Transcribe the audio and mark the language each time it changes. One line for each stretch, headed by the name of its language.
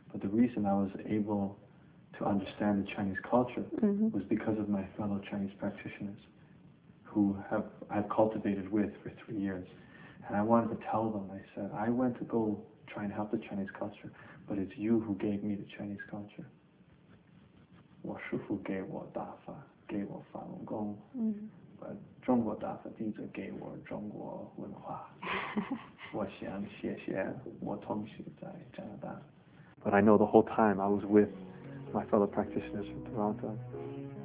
English: But the reason I was able to understand the Chinese culture was because of my fellow Chinese practitioners who I've cultivated with for 3 years. And I wanted to tell them, I said, I went to go try and help the Chinese culture, but it's you who gave me the Chinese culture.
Chinese: 我师父给我打法，给我法轮功。
English: But I know the whole time I was with my fellow practitioners from Toronto.